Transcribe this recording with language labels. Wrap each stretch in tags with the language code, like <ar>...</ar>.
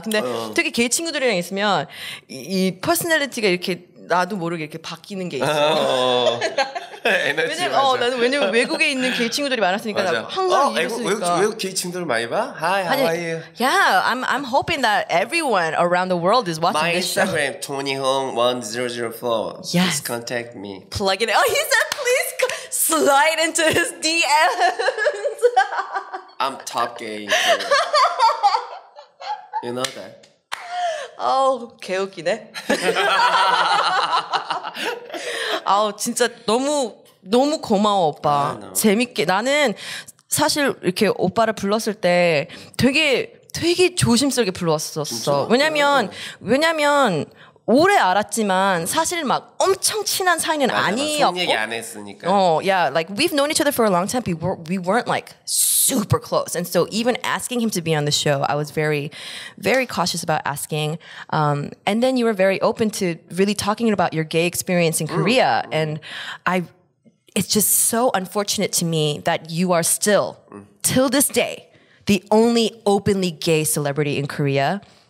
<ko>근데 특히 게이 친구들이랑 있으면 이 퍼스널리티가 이렇게 나도 모르게 이렇게 바뀌는 게 있어. 왜냐면 외국에 있는 게이 친구들이 많았으니까 항상 이랬으니까. 외국 게이 친구들 많이 봐?</ko> <en>Hi, how are you? Yeah, I'm hoping that everyone around the world is watching this show. My Instagram, TonyHung1004. Yes. Please contact me. Plug it in. Oh, he said please contact me. slide into his DMs. I'm top game. Girl. You know that.</en> <ko>Oh, 개웃기네. 아우 진짜 너무 너무 고마워 오빠. 재밌게 나는 사실 이렇게 오빠를 불렀을 때 되게 되게 조심스럽게 불렀었어. 진짜? 왜냐면 네. 왜냐면 오래 알았지만 사실 막 엄청 친한 사이는 맞아, 아니었고. 손 얘기 안 했으니까.</ko> <en>어, yeah, like we've known each other for a long time. We weren't like super close, and so even asking him to be on the show, I was very, very cautious about asking. And then you were very open to really talking about your gay experience in Korea, and I. It's just so unfortunate to me that you are still, till this day, the only openly gay celebrity in Korea.</en>